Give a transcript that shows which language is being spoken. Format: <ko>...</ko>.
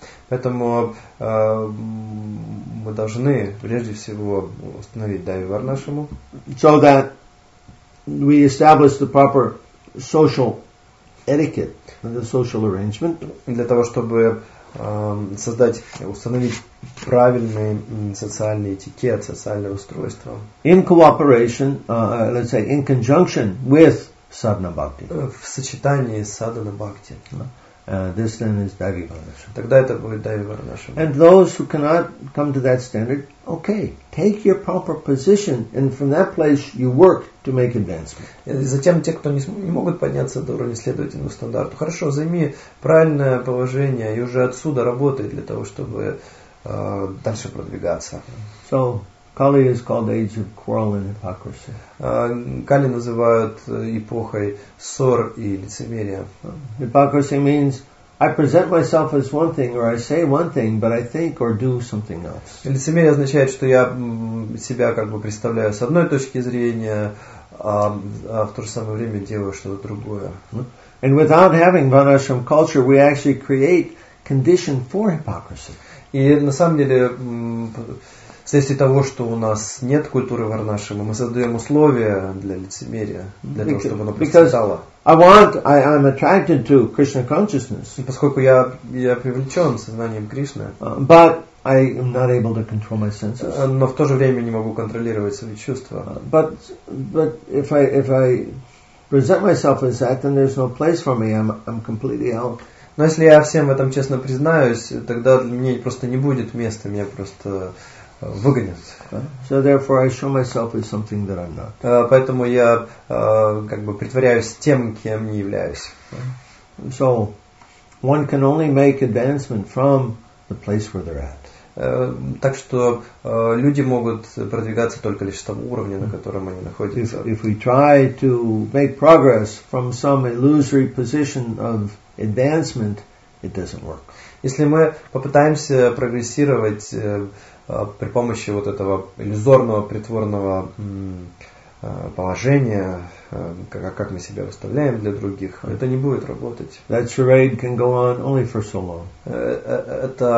<ru>Поэтому мы должны прежде всего установить Дхари Варнашраму.</ru> <en>So that we establish the proper social etiquette and the social arrangement.</en> <ru>Для того, чтобы установить правильный социальный этикет, социальное устройство.</ru> <en>In cooperation, let's say, in conjunction with sadhana bhakti.</en> <ru>В сочетании с садхана бхакти.</ru> <en>this then is Devi Varnasram.</en> <ru>Тогда это будет Devi Varnasram.</ru> <en>And those who cannot come to that standard, okay, take your proper position, and from that place you work to make advancement.</en> <ru>И затем те, кто не могут подняться до уровня следовательного стандарта, хорошо, займи правильное положение и уже отсюда работай для того, чтобы дальше продвигаться.</ru> <en>So Kali is called age of quarrel and hypocrisy.</en> <ru>Kali называют эпохой ссор и лицемерия.</ru> <en>Hypocrisy means I present myself as one thing or I say one thing, but I think or do something else.</en> <ru>Лицемерие означает, что я себя как бы представляю с одной точки зрения, а в то же самое время делаю что-то другое.</ru> <en>And without having Varnashram culture, we actually create condition for hypocrisy.</en> <ru>И на самом деле, вследствие того, что у нас нет культуры Варнашрама, мы создаем условия для лицемерия, для того, чтобы оно процветало.</ru> <en>I'm attracted to Krishna consciousness.</en> <ru>И поскольку я привлечен сознанием Кришны,</ru> <en>but I am not able to control my senses.</en> <ru>Но в то же время не могу контролировать свои чувства.</ru> <en>But if I present myself as that, then there's no place for me. I'm completely out.</en> <ru>Но если я всем в этом честно признаюсь, тогда для меня просто не будет места, меня просто выгонят.</ru> <en>So therefore I show myself as something that I'm not.</en> <ru>Поэтому я как бы притворяюсь тем, кем не являюсь.</ru> <en>So one can only make advancement from the place where they're at.</en> <ru>Так что люди могут продвигаться только лишь с того уровня, на котором они находятся.</ru> <en>If we try to make progress from some illusory position of advancement, it doesn't work.</en> <ru>Если мы попытаемся прогрессировать при помощи вот этого иллюзорного притворного положения, как мы себя выставляем для других, right, это не будет работать.</ru> <en>That charade can go on only for so long.</en>